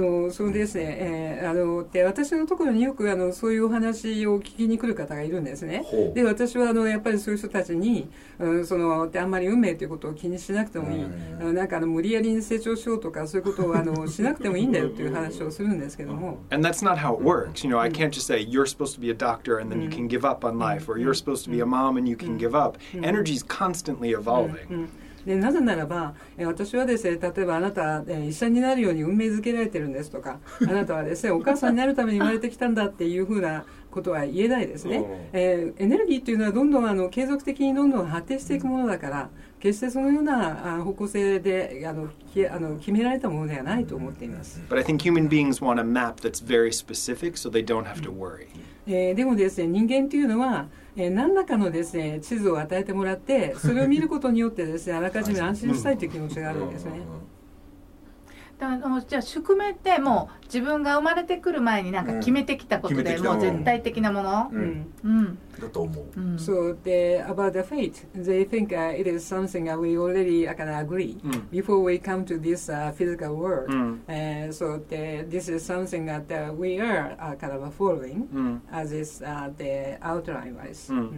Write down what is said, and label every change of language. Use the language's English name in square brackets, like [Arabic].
[Japanese] そうですね、で私のところによくそういうお話を聞きに来る方がいるんですね。で私はやっぱりそういう人たちに、そのあんまり運命ということを気にしなくてもいい、なんか無理やりに成長しようとかそういうことをしなくてもいいんだよという話をするんですけども、 [English] And that's not how it works. You know, I can't just say you're supposed to be a doctor and then you can give up on life, or you're supposed to be a mom and you can give up. Energy is constantly evolving. [Japanese] でなぜならば、私はですね、例えばあなた、医者になるように運命づけられてるんですとか、あなたはですね、お母さんになるために生まれてきたんだっていうふうなことは言えないですね。エネルギーというのはどんどん継続的にどんどん発展していくものだから、決してそのような方向性で決められたものではないと思っています。 [English] But I think human beings want a map that's very specific so they don't have to worry. [Japanese] でもですね、人間というのは、何らかのですね、地図を与えてもらって、それを見ることによってですね、あらかじめ安心したいという気持ちがあるんですね。じゃあ宿命ってもう自分が生まれてくる前になんか決めてきたことで、もう絶対的なもの、だと思う。 [English] So the about the fate, they think it is something that we already can agree before we come to this physical world. So the this is something that we are kind of following as is the outline wise.